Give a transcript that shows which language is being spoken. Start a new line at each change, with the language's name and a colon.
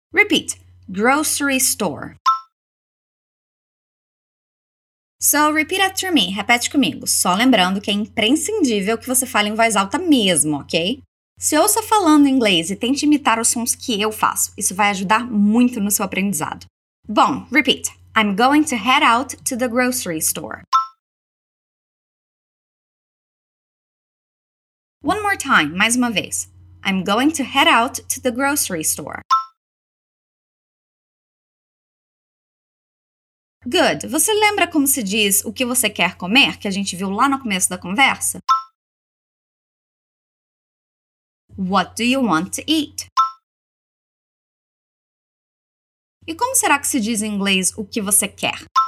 English: Repeat, grocery store. So, repeat after me,
Portuguese: repete comigo. Só lembrando que é imprescindível que você fale em voz alta mesmo, ok? Se ouça falando inglês e tente imitar os sons que eu faço, isso vai ajudar muito no seu aprendizado. Bom, repeat.
English: I'm going to head out to the grocery store. One more time,
Portuguese: mais uma vez.
English: I'm going to head out to the grocery store. Good.
Portuguese: Você lembra como se diz o que você quer comer, que a gente viu lá no começo da conversa?
English: What do you want to eat?
Portuguese: E como será que se diz em inglês o que você quer?